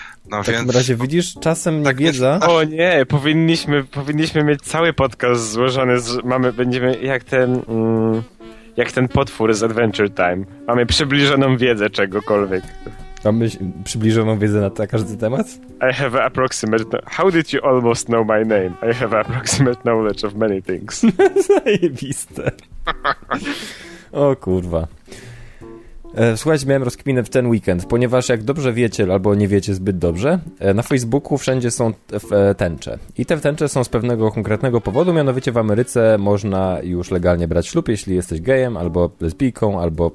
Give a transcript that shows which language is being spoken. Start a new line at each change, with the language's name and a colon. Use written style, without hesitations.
Polish: No, w takim razie widzisz, czasem tak, wiedza... O nie, powinniśmy mieć cały podcast złożony, będziemy jak ten... Jak ten potwór z Adventure Time. Mamy przybliżoną wiedzę czegokolwiek. Mamy przybliżoną wiedzę na każdy temat?
English: I have approximate... How did you almost know my name? I have approximate knowledge of many things.
Polish: Zajebiste. O kurwa. Słuchajcie, miałem rozkminę w ten weekend, ponieważ jak dobrze wiecie, albo nie wiecie zbyt dobrze, na Facebooku wszędzie są tęcze. I te tęcze są z pewnego konkretnego powodu, mianowicie w Ameryce można już legalnie brać ślub, jeśli jesteś gejem, albo lesbijką, albo...